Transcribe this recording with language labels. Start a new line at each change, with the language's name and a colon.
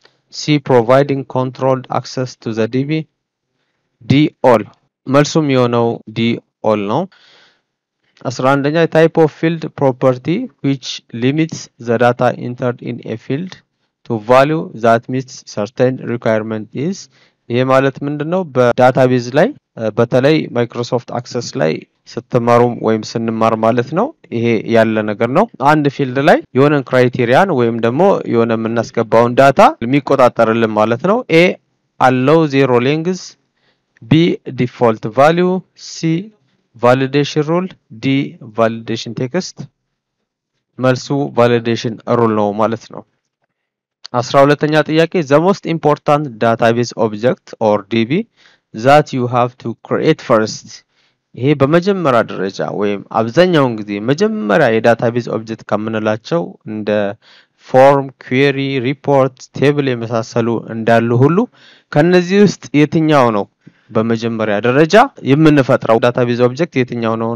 English: C providing controlled access to the DB. D all.
Amharic: መልሱም የሆነው
English: D all ነው። 11ኛ type of field property which limits the data entered in a field to value that meets certain requirement is.
Amharic: ይሄ ማለት ምንድነው? በዳታቤዝ ላይ በተለይ ማይክሮሶፍት አክሰስ ላይ ስትማሩም ወይም ስንማር ማለት ነው ይሄ ያለ ነገር ነው። አንድ ፊልድ ላይ የሆነ ክራይቴሪያን ወይም ደግሞ የሆነ ምናስገባውን ዳታ ሊሚቆጣጠርልን ማለት ነው።
English: A allow zero links, B default value, C validation rule, D validation text.
Amharic: መልሱ validation rule ነው ማለት ነው። 12ኛ ጥያቄ
English: the most important database object or DB that you have to create first.
Amharic: ይሄ በመጀመሪያ ደረጃ ወይም አብዛኛውን ጊዜ መጀመሪያ የዳታቤዝ ኦብጀክት ከምንላቸው እንደ form, query, report, table የመሳሰሉ እንዳሉ ሁሉ ከነዚህ ውስጥ የትኛው ነው በመጀመሪያ ደረጃ የምንፈጥረው ዳታቤዝ ኦብጀክት የትኛው ነው?